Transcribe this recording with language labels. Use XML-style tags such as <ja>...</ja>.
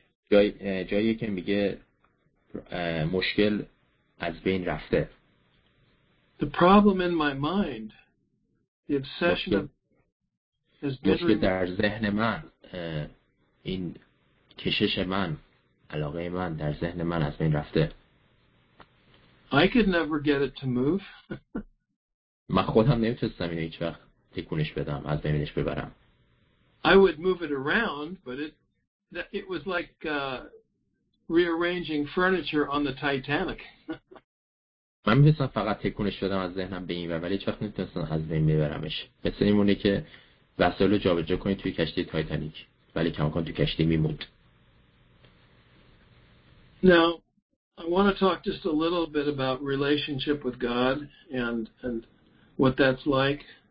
<fa>جایی که میگه مشکل از بین رفته.</fa> <en>The problem in my mind, the obsession of has been</en> <fa>مشکل در ذهن من این کشش من علاقه من در ذهن من از بین رفته.</fa> <en>I could never get it to move.</en> <fa>من خودم نمیتونستم اینو هیچ وقت تکونش بدم، از بینش ببرم.</fa> <en>I would move it around, but it was like rearranging furniture on the Titanic.</en> <fa>من میتونستم فقط تکونش بدم از ذهنم به این ور، ولی هیچ وقت نمیتونستم از بین ببرمش. مثل اینمونه که وسایل رو جابجا کنی توی کشتی تایتانیک، ولی کماکان توی کشتی میموند.</fa> <en>Now, I want to talk just a little bit about relationship with God and what that's like.</en>